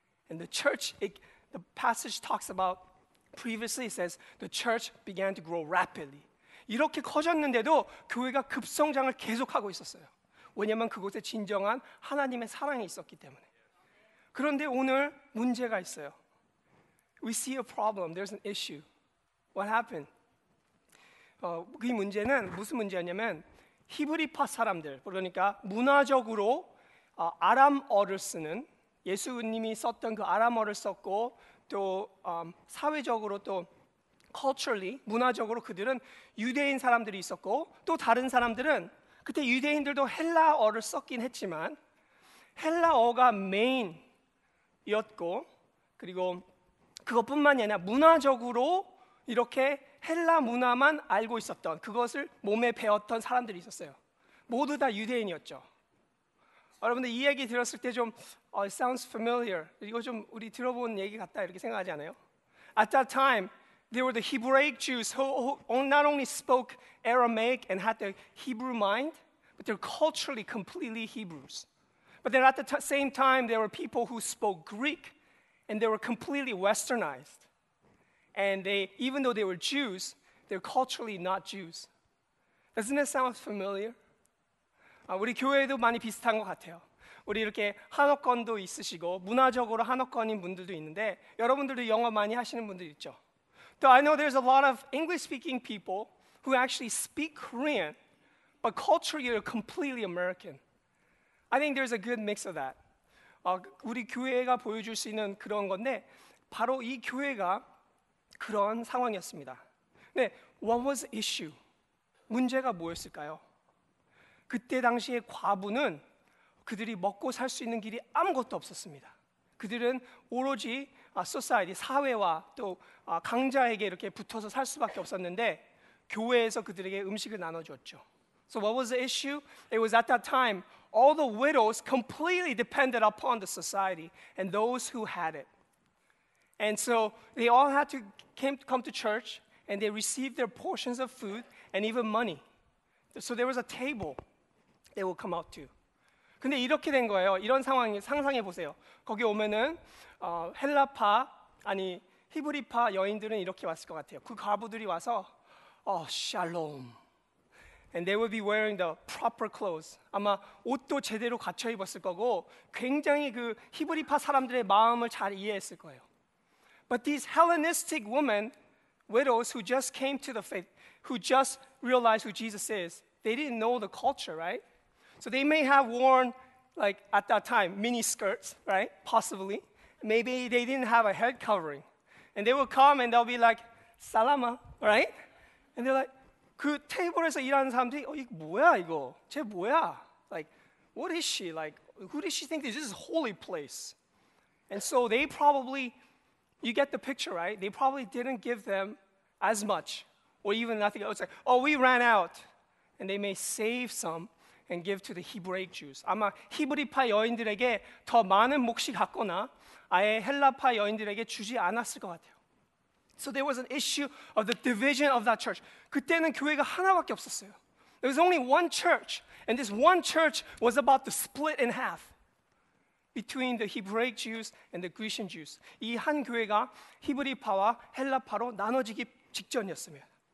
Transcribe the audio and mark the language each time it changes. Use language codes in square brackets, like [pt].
[en] And the church, the passage talks about previously, it says the church began to grow rapidly. [ko] 이렇게 커졌는데도 교회가 급성장을 계속하고 있었어요. 왜냐하면 그곳에 진정한 하나님의 사랑이 있었기 때문에. 그런데 오늘 문제가 있어요. [en] We see a problem. There's an issue. What happened? [ko] 그 문제는 무슨 문제였냐면 히브리파 사람들, 그러니까 문화적으로 아람어를 쓰는 예수님이 썼던 그 아람어를 썼고 또 사회적으로 또 [en] culturally, [ko] 문화적으로 그들은 유대인 사람들이 있었고 또 다른 사람들은 그때 유대인들도 헬라어를 썼긴 했지만 헬라어가 메인이었고 그리고 그것뿐만이 아니라 문화적으로 이렇게 헬라 문화만 알고 있었던 그것을 몸에 배웠던 사람들이 있었어요. 모두 다 유대인이었죠. 여러분들 이 얘기 들었을 때 좀 [en] sounds familiar. [ko] 이거 좀 우리 들어본 얘기 같다 이렇게 생각하지 않아요? [en] At that time, there were the Hebraic Jews who not only spoke Aramaic and had the Hebrew mind, but they're culturally completely Hebrews. But then at the same time, there were people who spoke Greek and they were completely westernized. And they, even though they were Jews, they're culturally not Jews. Doesn't that sound familiar? [ko] 우리 교회도 많이 비슷한 것 같아요. 우리 이렇게 한옥권도 있으시고 문화적으로 한옥권인 분들도 있는데 여러분들도 영어 많이 하시는 분들 있죠. [en] Though I know there's a lot of English-speaking people who actually speak Korean, but culturally are completely American. I think there's a good mix of that. [ko] 우리 교회가 보여줄 수 있는 그런 건데 바로 이 교회가 그런 상황이었습니다. 네, [en] what was the issue? [ko] 문제가 뭐였을까요? 그때 당시의 과부는 그들이 먹고 살 수 있는 길이 아무것도 없었습니다. 그들은 오로지 소사이어티, 사회와 또 강자에게 이렇게 붙어서 살 수밖에 없었는데 교회에서 그들에게 음식을 나눠줬죠. [en] So what was the issue? It was at that time, all the widows completely depended upon the society and those who had it. And so they all had to come to church and they received their portions of food and even money. So there was a table they would come out to. [ko] 근데 이렇게 된 거예요. 이런 상황이 상상해 보세요. 거기 오면은 헬라파 아니 히브리파 여인들은 이렇게 왔을 것 같아요. 그 가부들이 와서 샬롬. [en] And they would be wearing the proper clothes. [ko] 아마 옷도 제대로 갖춰 입었을 거고 굉장히 그 히브리파 사람들의 마음을 잘 이해했을 거예요. [en] But these Hellenistic women, widows who just came to the faith, who just realized who Jesus is, they didn't know the culture, right? So they may have worn, like at that time, mini skirts, right? Possibly. Maybe they didn't have a head covering. And they would come and they'll be like, Salama, right? And they're like, [ko] 그 테이블에서 일하는 사람들이, 이게 뭐야, 이거? 쟤 뭐야? [en] Like, what is she? Like, who does she think this is? This is a holy place. And so they probably, you get the picture, right? They probably didn't give them as much or even nothing. It's like, oh, we ran out. And they may save some and give to the Hebraic Jews. [ko] 아마 히브리파 여인들에게 더 많은 몫이 갔거나 아예 헬라파 여인들에게 주지 않았을 것 같아요. [en] So there was an issue of the division of that church. [ko] 그때는 교회가 하나밖에 없었어요. [en] There was only one church, and this one church was about to split in half between the Hebraic Jews and the Grecian Jews. [ko] 이 한 교회가 히브리파와 헬라파로 나눠지기 직전이었습니다.